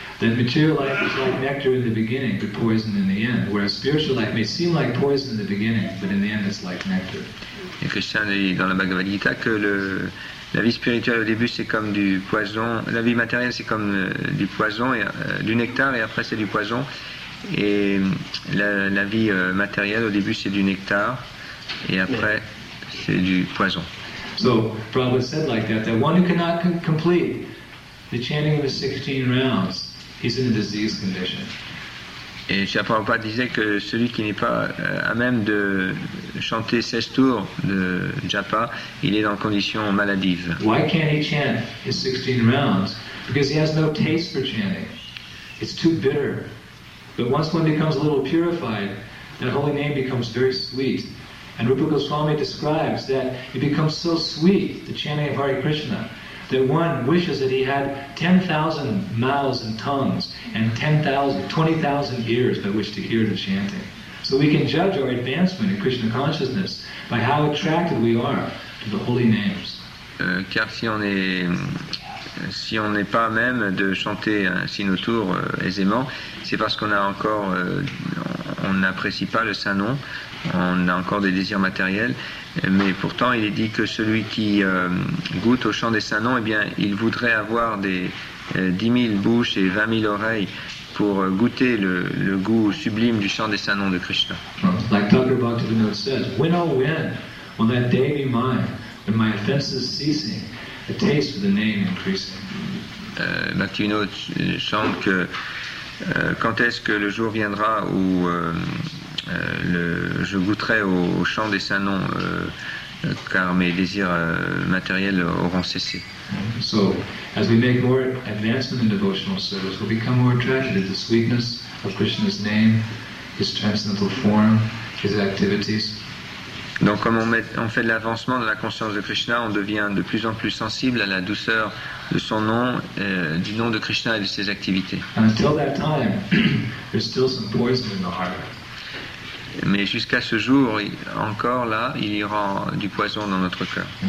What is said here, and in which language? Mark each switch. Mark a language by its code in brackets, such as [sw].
[en] That material life is like nectar in the beginning, but poison in the end. Whereas spiritual life may seem like poison in the beginning, but in the end it's like nectar. [fr] Et Krishna dit dans la Bhagavad Gita que la vie spirituelle au début c'est comme du poison, la vie matérielle c'est comme du poison, et du nectar, et après c'est du poison. Et la vie matérielle au début c'est du nectar, et après c'est du poison. [en] So, Prabhupada said like that, that one who cannot complete the chanting of the 16 rounds, he's in a disease condition. [fr] Et Shri Prabhupada disait que celui qui n'est pas à même de chanter 16 tours de japa, il est dans condition maladive. [en] Why can't he chant his 16 rounds? Because he has no taste for chanting. It's too bitter. But once one becomes a little purified, that holy name becomes very sweet. And Rupa Goswami describes that it becomes so sweet, the chanting of Hare Krishna, that one wishes that he had 10,000 mouths and tongues and 20,000 ears by which to hear the chanting. So we can judge our advancement in Krishna consciousness by how attracted we are to the holy names. [fr] Car si on n'est pas même de chanter ainsi nos tours aisément, c'est parce qu'on a encore, on n'apprécie pas le saint nom, on a encore des désirs matériels. Mais pourtant, il est dit que celui qui goûte au chant des saints noms, eh bien, il voudrait avoir des 10 000 bouches et 20 000 oreilles pour goûter le goût sublime du chant des saints noms de Krishna. [en] Like Tucker Bhaktivinoda says, when oh when will that day be mine when my offenses ceasing, the taste of the name increasing. [fr] Bhaktivinoda chante que quand est-ce que le jour viendra où je goûterai au chant des saints noms car mes désirs matériels auront cessé. [en] So, as we make more advancement in devotional service, we'll become more attracted to the sweetness of Krishna's name, his transcendental form, his activities. [fr] Donc, comme on fait de l'avancement dans la conscience de Krishna, on devient de plus en plus sensible à la douceur de son nom, du nom de Krishna et de ses activités. [en] And until that time, there's still some poison in the heart. [fr] Mais jusqu'à ce jour, encore là, il y aura du poison dans notre cœur.